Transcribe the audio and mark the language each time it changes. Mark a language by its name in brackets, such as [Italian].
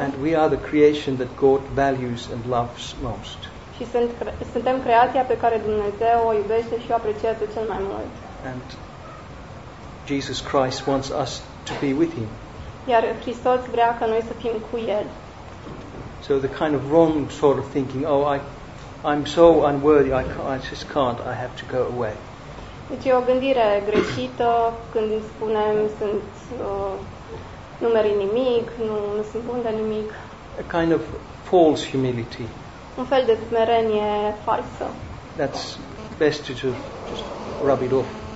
[English] And we are the creation that God values and loves most. [Romanian] Și suntem creația pe care Dumnezeu o iubește și o apreciază cel mai mult. [English] And Jesus Christ wants us to be with him. [Romanian] Iar Hristos vrea ca noi să fim cu el. [English] So the kind of wrong sort of thinking, oh, I I'm so unworthy, I just can't, I have to go away. [Romanian] Deci e o gândire greșită când îi spunem sunt nu merit nimic, nu sunt bun de nimic. [English] A kind of false humility. [Romanian] Un fel de smerenie falsă. [English] That's best to just rub it off.